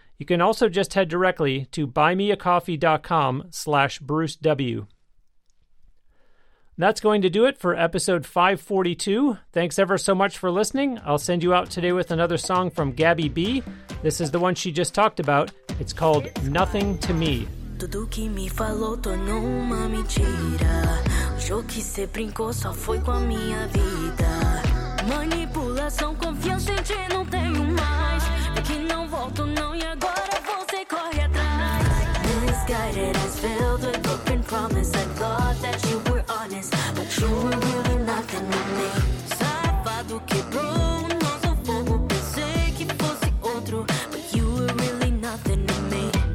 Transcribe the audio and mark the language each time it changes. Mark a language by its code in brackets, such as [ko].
[en] You can also just head directly to buymeacoffee.com/BruceW. That's going to do it for episode 542. Thanks ever so much for listening. I'll send you out today with another song from Gabby B. This is the one she just talked about. It's called Nothing to Me. [pt] Tudo que me falou tornou uma mentira. O jogo que cê brincou só foi com a minha vida. Manipulação, confiança em ti não tenho mais. É que não volto não e agora você corre atrás. [en] Misguided as filled with broken promise. I thought that you were honest, but you were really nothing to me. [pt] Safado quebrou o nosso fogo. Pensei que fosse outro, [en] but you were really nothing to me.